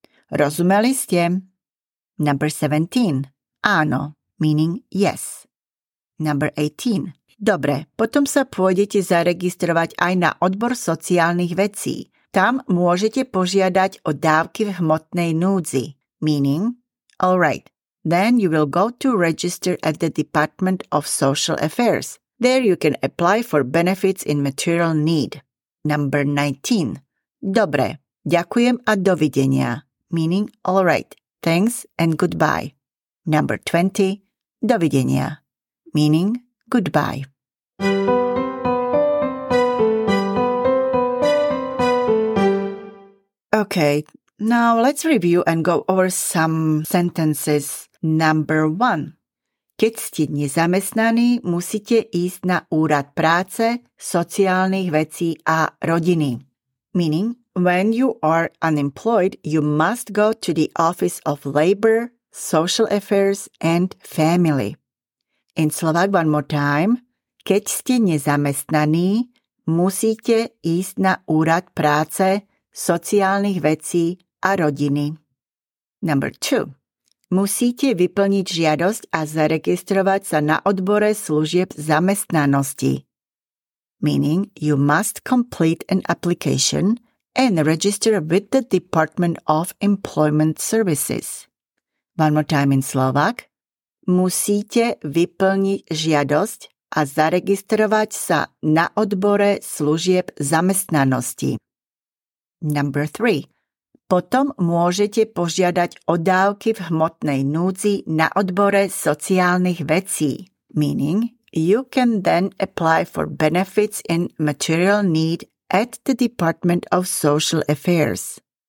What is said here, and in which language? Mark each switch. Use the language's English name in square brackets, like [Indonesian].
[Slovak] Rozumeli ste? [English] Number 17. Áno, meaning yes. Number 18. [Slovak] Dobre, potom sa pôjdete zaregistrovať aj na odbor sociálnych vecí. Tam môžete požiadať o dávky v hmotnej núdzi. [English] Meaning, all right, then you will go to register at the Department of Social Affairs. There you can apply for benefits in material need. Number 19. [Slovak] Dobre, ďakujem a dovidenia. [English] Meaning, all right, thanks and goodbye. Number 20. [Slovak] Dovidenia. [English] Meaning, goodbye. Okay. Now let's review and go over some sentences. Number one. [Slovak] Keď ste nezamestnaní, musíte ísť na úrad práce, sociálnych vecí a rodiny. [English] Meaning, when you are unemployed, you must go to the Office of Labor, Social Affairs and Family. In Slovak one more time. [Slovak] Keď ste nezamestnaní, musíte ísť na úrad práce, sociálnych vecí a rodiny. [English] Number 2. [Slovak] Musíte vyplniť žiadosť a zaregistrovať sa na odbore služieb zamestnanosti. [English] meaning you must complete an application and register with the Department of Employment Services. One more time in Slovak. [Slovak] Musíte vyplniť žiadosť a zaregistrovať sa na odbore služieb zamestnanosti. [English] Number 3. [Slovak] Potom môžete požiadať o dávky v hmotnej núdzi na odbore sociálnych vecí, [English] meaning you can then apply for benefits in material need at the Department of Social Affairs.